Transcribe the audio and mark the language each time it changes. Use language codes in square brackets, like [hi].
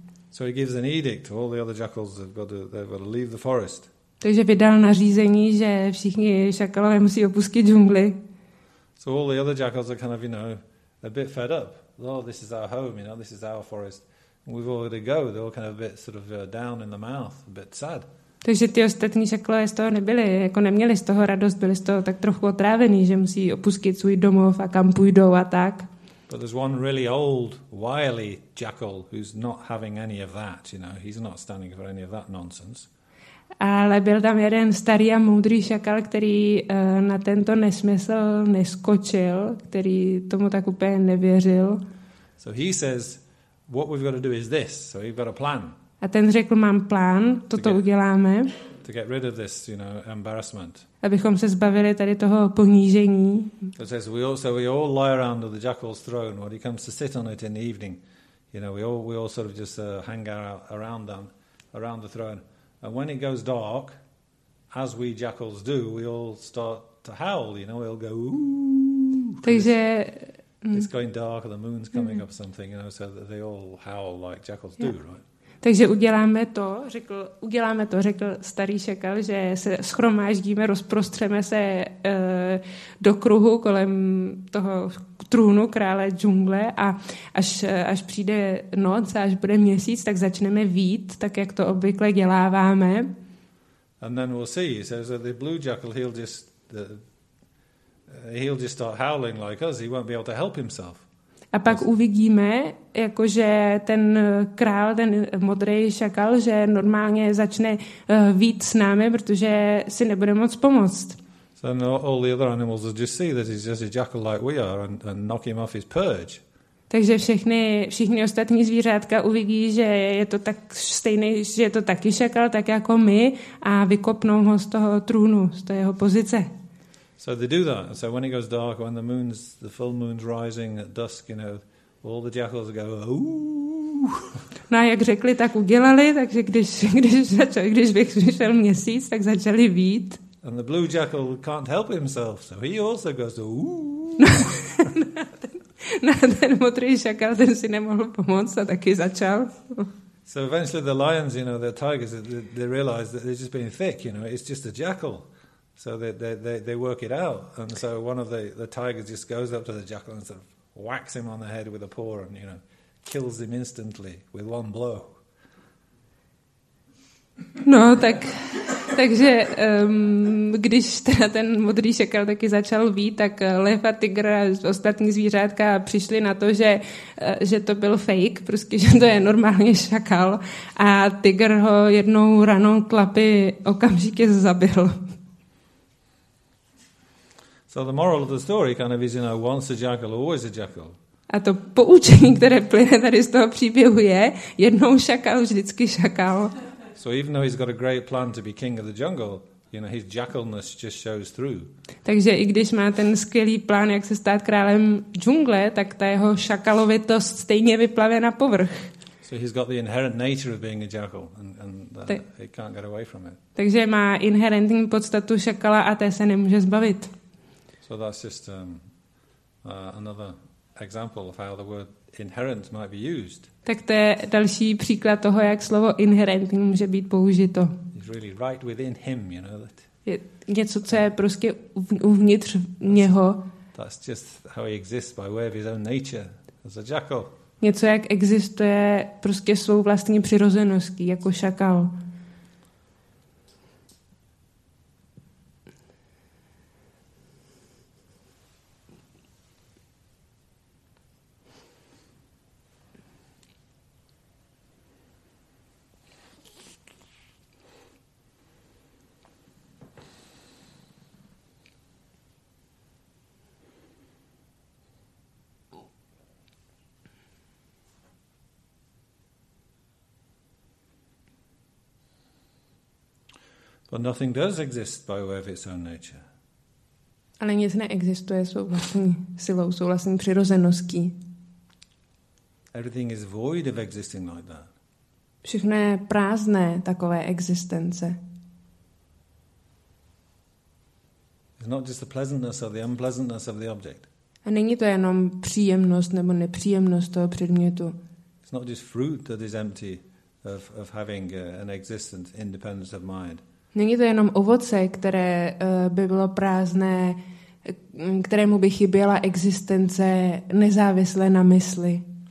[en] So he gives an edict, all the other jackals have got to, they've got to leave the forest. [cs] Takže vydal nařízení, že všichni šakalové musí opustit džungli. [en] So all the other jackals are kind of, you know, a bit fed up. Oh, this is our home, you know, this is our forest. We've all got to go. They're all kind of a bit sort of down in the mouth, a bit sad. [cs] Takže ty ostatní šakalové z toho nebyli, jako neměli z toho radost, byli z toho tak trochu otrávení, že musí opustit svůj domov a kam půjdou a tak. [en] But there's one really old, wily jackal who's not having any of that, you know. He's not standing for any of that nonsense. [cs] Ale byl tam jeden starý a moudrý šakal, který na tento nesmysl neskočil, který tomu tak úplně nevěřil. [en] So he says, what we've got to do is this. So he's got a plan. [cs] A ten řekl, mám plán, toto uděláme. [en] To get rid of this, you know, embarrassment. [cs] Abychom se zbavili tady toho ponížení. [en] So he says, we all lie around on the jackal's throne when he comes to sit on it in the evening. You know, we all sort of just hang around the throne. And when it goes dark, as we jackals do, we all start to howl, you know, we'll go, ooh. [cs] Takže, [en] it's going dark or the moon's coming up something, you know, so that they all howl like jackals do, right? [cs] Takže uděláme to, řekl starý šakal, že se shromáždíme, rozprostřeme se do kruhu kolem toho trůnu krále džungle a až přijde noc a až bude měsíc, tak začneme vít, tak jak to obvykle děláváme. [en] And then we'll see, he says that the blue jackal, he'll just start howling like us, he won't be able to help himself. [cs] A pak uvidíme, jakože ten král, ten modrý šakal, že normálně začne vít s námi, protože si nebude moc pomoct. [en] So all the other animals will just see that he's just a jackal like we are and knock him off his perch. [cs] Takže všichni ostatní zvířátka uvidí, že je to tak stejný, že je to taky šakal, tak jako my, a vykopnou ho z toho trůnu, z toho jeho pozice. [en] So they do that. So when it goes dark, when the full moon's rising at dusk, you know, all the jackals go, ooh. [cs] No a jak řekli, tak udělali, takže když vyšel měsíc, tak začali vít. [en] And the blue jackal can't help himself, so he also goes, ooh. [cs] No, ten modrý šakal, ten si nemohl pomoct a taky začal. [en] So eventually the lions, you know, the tigers, they realize that they're just being thick, you know, it's just a jackal. So they work it out, and so one of the tigers just goes up to the jackal and sort of whacks him on the head with a paw, and you know, kills him instantly with one blow. [cs] No, tak Takže když teda ten modrý šakal taky začal vít, tak lev a tygr a ostatní zvířátka přišli na to, že to byl fake, prostě, že to je normálně šakal. A tygr ho jednou ranou tlapy okamžitě zabil. [en] So the moral of the story kind of is, you know, once a jackal, always a jackal. [cs] A to poučení, které plyne tady z toho příběhu je, jednou šakal, vždycky šakal. [en] So even though he's got a great plan to be king of the jungle, you know, his jackalness just shows through. [cs] Takže i když má ten skvělý plán, jak se stát králem džungle, tak ta jeho šakalovitost stejně vyplave na povrch. [en] So he's got the inherent nature of being a jackal and he can't get away from it. [cs] Takže má inherentní podstatu šakala a té se nemůže zbavit. [en] So that's just another example of how the word inherent might be used. [cs] Tak to je další příklad toho, jak slovo inherentní může být použito. [en] It's really right within him, you know that. [cs] Je něco, co je prostě uvnitř něho. [en] That's just how he exists by way of his own nature as a jackal. [cs] Něco, jak existuje prostě svou vlastní přirozeností jako šakal. [en] But nothing does exist by way of its own nature. [cs] Ale nic neexistuje svou vlastní silou, svou vlastní přirozeností. [en] Everything is void of existing like that. [cs] Všechno je prázdné takové existence. [en] It's not just the pleasantness or the unpleasantness of the object. [cs] A není to jenom příjemnost nebo nepříjemnost toho předmětu. [en] It's not just fruit that is empty of having an existence independent of mind. [cs] Není to jenom ovoce, které by bylo prázdné, kterému by chyběla existence nezávisle na mysli.